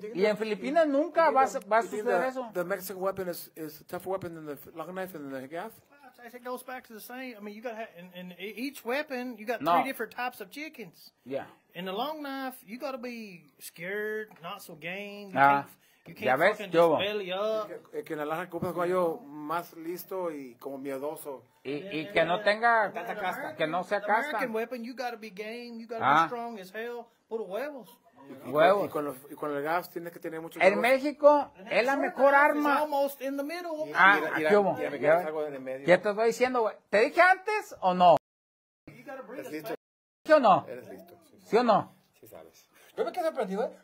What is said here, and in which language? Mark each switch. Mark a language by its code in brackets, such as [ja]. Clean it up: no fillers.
[es] Sí, y en Filipinas nunca va a suceder eso. [en] The Mexican weapon is a tougher weapon than the long knife and the gaff. I think it goes back to the same. I mean, you got in each weapon, you got three different types of chickens. Yeah. In the long knife, you got to be scared, not so game. You can't fucking belly up. [es] Que en la larga compra gallo más listo y como miedoso. Y que no tenga casta, que no sea casta. [en] American weapon, you got to be game. You got to be strong as hell. [es] Puro huevos. Huevos. Y con el gas tienes que tener mucho. En calor. México es la mejor arma. [en] Almost in the middle. [es] Ah, ¿qué hubo? Ya me quedas algo en el medio. ¿Qué te estoy diciendo, güey? ¿Te dije antes o no? ¿Eres listo? ¿Sí o no? Eres listo. ¿Sí o no? Sí sabes. Yo me quedé sorprendido, ¿eh?